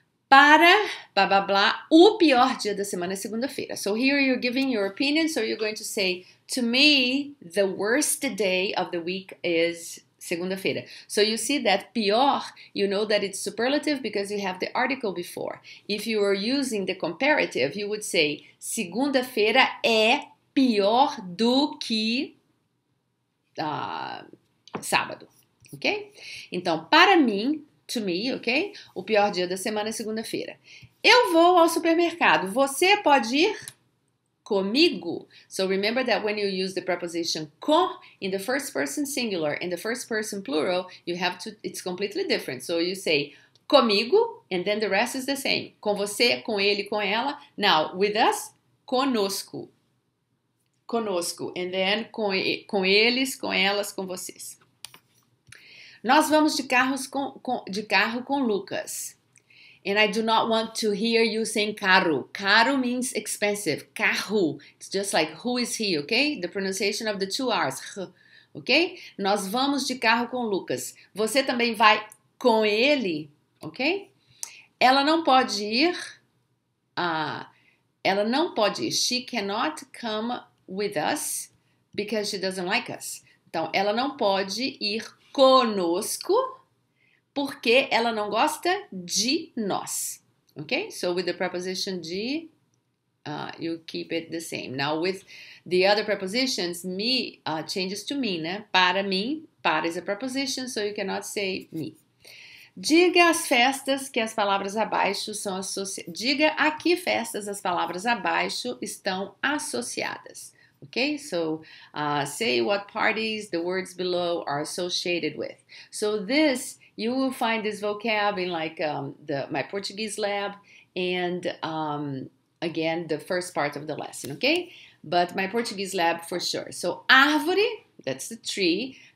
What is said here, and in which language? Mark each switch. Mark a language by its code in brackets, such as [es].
[pt] Para, blah, blah, blah, o pior dia da semana é segunda-feira. [en] So here you're giving your opinion, so you're going to say, to me, the worst day of the week is Segunda-feira. So you see that pior, you know that it's superlative because you have the article before. If you were using the comparative, you would say [pt] segunda-feira é pior do que sábado. [en] Ok? [pt] Então, para mim, [en] to me, [pt] ok? O pior dia da semana é segunda-feira. Eu vou ao supermercado. Você pode ir comigo? [en] So remember that when you use the preposition com in the first person singular, in the first person plural, you have to, it's completely different. So you say comigo, and then the rest is the same. [pt] Com você, com ele, com ela. [en] Now, with us, [pt] conosco. Conosco. [en] And then [pt] com eles, com elas, com vocês. Nós vamos de carros de carro com Lucas. [en] And I do not want to hear you saying carro. Carro means expensive. Carro. It's just like who is he, okay? The pronunciation of the two R's. Okay? [pt] Nós vamos de carro com Lucas. Você também vai com ele, okay? Ela não pode ir. Ela não pode ir. [en] She cannot come with us because she doesn't like us. [pt] Então, ela não pode ir conosco porque ela não gosta de nós. Ok? [en] So, with the preposition de, you keep it the same. Now, with the other prepositions, me changes to me, né? [pt] Para mim, [en] para is a preposition, so you cannot say me. [pt] Diga as festas que as palavras abaixo são associadas. Diga a que festas as palavras abaixo estão associadas. [en] Okay, so say what parties the words below are associated with. So this, you will find this vocab in like my Portuguese lab and again, the first part of the lesson, okay? But my Portuguese lab for sure. So árvore, that's the tree.